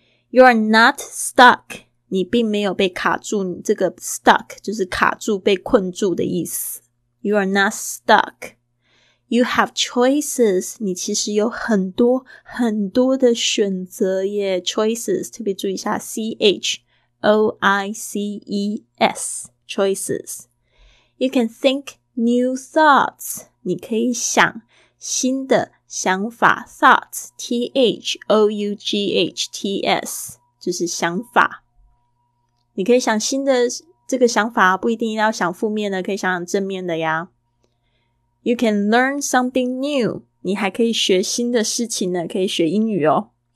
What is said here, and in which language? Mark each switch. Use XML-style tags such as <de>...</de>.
<en>You are not stuck，</en> <zh>你并没有被卡住，你这个 stuck 就是卡住被困住的意思。</zh> <en>You are not stuck. You have choices.</en> <zh>你其实有很多很多的选择耶。</zh> <en>Choices,</en> <zh>特别注意一下</zh> <en>C-H-O-I-C-E-S. Choices. You can think new thoughts.</en> <zh>你可以想新的想法。</zh> <en>Thoughts, T-H-O-U-G-H-T-S.</en> <zh>就是想法。你可以想新的这个想法，不一定要想负面的，可以想想正面的呀。</zh> <en>You can learn something new.</en> <zh>你还可以学新的事情呢，可以学英语哦。</zh>